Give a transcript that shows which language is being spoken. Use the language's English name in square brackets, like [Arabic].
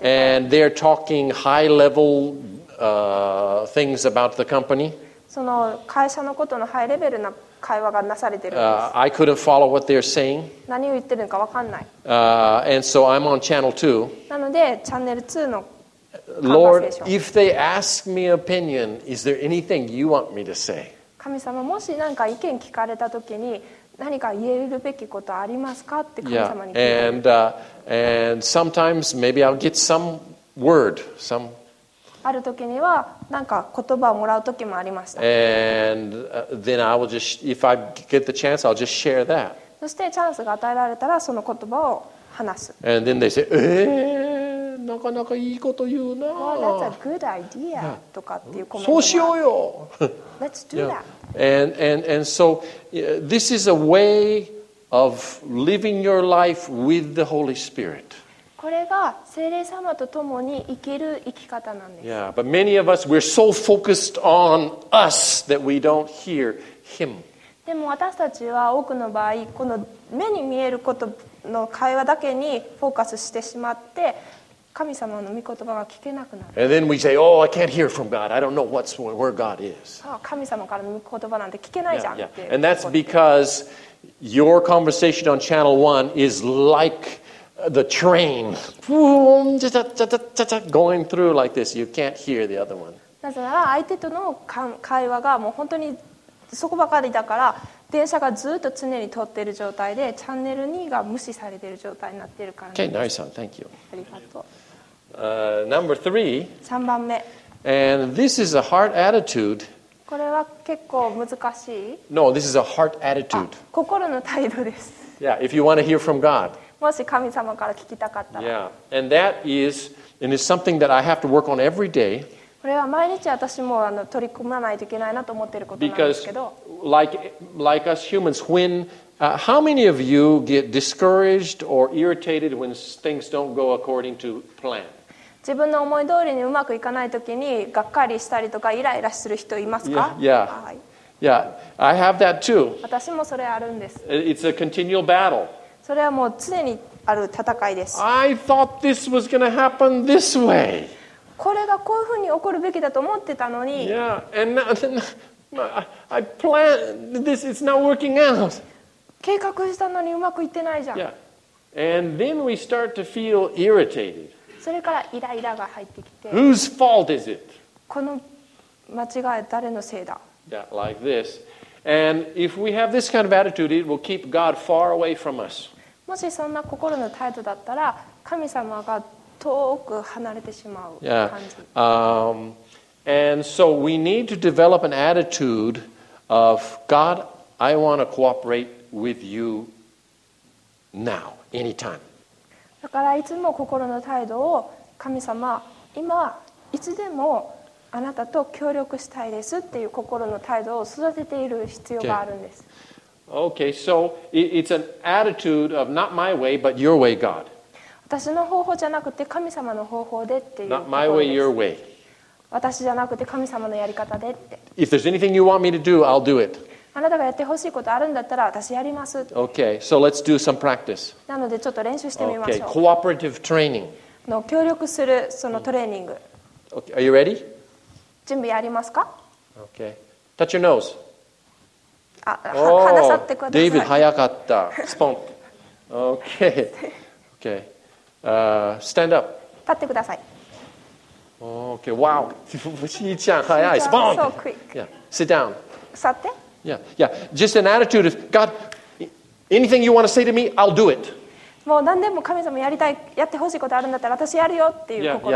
[English] And they're talking high level things about the company. [Japanese] その会社のことのハイレベルな会話がなされてるんです。 [English] I couldn't follow what they're saying. [Japanese] 何を言ってるのか分かんない。 [English] And so I'm on channel 2. [Japanese] なので、チャンネル2のカンバセーション。 [English] Lord, if they ask me opinion, is there anything you want me to say? [Japanese] 神様、もし何か意見聞かれたときに、何か言えるべきことありますかって神様に聞いて。 [English] Yeah. And sometimes maybe I'll get some word, some... [Japanese] ある時にはなんか言葉をもらう時もありました。 [English] And then I will just, if I get the chance, I'll just share that. [Japanese] そしてチャンスが与えられたらその言葉を話す。 [English] And then they say, [Japanese] なかなかいいこと言うな。 [English] Oh, that's a good idea. [Japanese] とかっていうコメントが。そうしようよ。 [English] Let's do that. And so this is a way of living your life with the Holy Spirit. [Japanese] これが聖霊様と共に生きる生き方なんです。 [English] Yeah, but many of us, we're so focused on us that we don't hear him. [Japanese] でも私たちは多くの場合、この目に見えることの会話だけにフォーカスしてしまって、神様の御言葉が聞けなくなる。 [English] And then we say, oh, I can't hear from God. I don't know what's where God is. [Japanese] 神様からの御言葉なんて聞けないじゃん。 [English] Yeah, yeah. And that's because your conversation on channel 1 is likeThe train, boom, going through like this. You can't hear the other one. [Japanese] なぜなら相手との会話がもう本当にそこばかりだから電車がずっと常に通っている状態でチャンネル2が無視されている状態になっているから [English] です。Okay, Nari-san, thank you. [Japanese] ありがとう。 [English] Number three. [Japanese] 三番目。 [English] And this is a heart attitude. [Japanese] これは結構難しい? [English] No, this is a heart attitude. [Japanese] 心の態度です。 [English] Yeah, if you want to hear from God. [Japanese] もし神様から聞きたかったら。 [English] Yeah. And that is, and it's something that I have to work on every day. [Japanese] これは毎日私も取り組まないといけないなと思っていることなんですけど。 [English] Because like us humans, when, how many of you get discouraged or irritated when things don't go according to plan? [Japanese] 自分の思い通りにうまくいかないときにがっかりしたりとかイライラする人いますか? [English] Yeah. Yeah. Yeah. I have that too. [Japanese] 私もそれあるんです。 [English] It's a continual battle. [Japanese] それはもう常にある戦いです。 [English] I thought this was going to happen this way. [Japanese] これがこういうふうに起こるべきだと思ってたのに。 [English] Yeah, and now, then, I planned this, it's not working out. [Japanese] 計画したのにうまくいってないじゃん。 [English] Yeah. And then we start to feel irritated. [Japanese] それからイライラが入ってきて。 [English] Whose fault is it? [Japanese] この間違い誰のせいだ? [English] Yeah, like this. And if we have this kind of attitude, it will keep God far away from us. [Japanese] もしそんな心の態度だったら、神様が遠く離れてしまう感じ。 [English] Yeah. And so we need to develop an attitude of God, I want to cooperate with you now, anytime. [Japanese] だからいつも心の態度を神様、今いつでもあなたと協力したいですっていう心の態度を育てている必要があるんです。 [English] Okay, so it's an attitude of not my way, but your way, God. [Japanese] 私の方法じゃなくて神様の方法でっていう。 [English] Not my way, your way. [Japanese] 私じゃなくて神様のやり方でって。 [English] If there's anything you want me to do, I'll do it. [Japanese] あなたがやってほしいことあるんだったら私やります。 [English] Okay, so let's do some practice. [Japanese] なのでちょっと練習してみましょう。 [English] Okay, cooperative training. [Japanese] の協力するそのトレーニング。 [English] Okay, are you ready? [Japanese] 準備ありますか? [English] Okay. Touch your nose. Oh, [Japanese] David, 早かった。スポン。 [English] Okay. Okay. Stand up. [Japanese] 立ってください。 [English] Okay. Wow. [Japanese] Shi-chan, 早い。スポン。 [English] So quick. Yeah. Sit down. [Japanese] 座って。 [English] Yeah. Yeah. Just an attitude of, God, anything you want to say to me, I'll do it. [Japanese] もう何でも神様やりたい、やってほしいことあるんだったら私やるよっていう心。